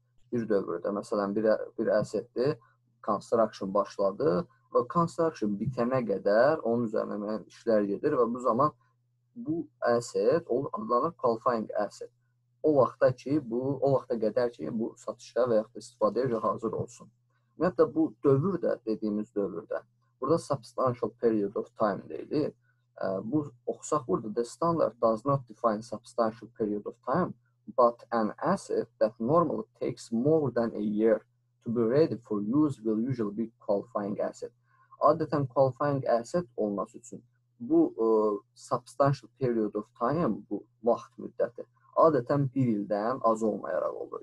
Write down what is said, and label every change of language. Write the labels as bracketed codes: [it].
[az] Bir dövrdə, məsələn, bir əsətdir, construction başladı və construction bitənə qədər onun üzərində işlər gedir və bu zaman bu əsət adlanır qualifying asset. O vaxta qədər ki, bu satışa və yaxud da istifadəyə hazır olsun. Ümumiyyətlə, bu dövrdə, dediyimiz dövrdə, burada substantial period of time deyilir. Bu, oxusaq burada, [en] the standard does not define substantial period of time, but an asset that normally takes more than a year to be ready for use will usually be qualifying asset. [az] Adətən qualifying asset olması üçün bu substantial period of time, bu vaxt müddəti, adətən bir ildən az olmayaraq olur.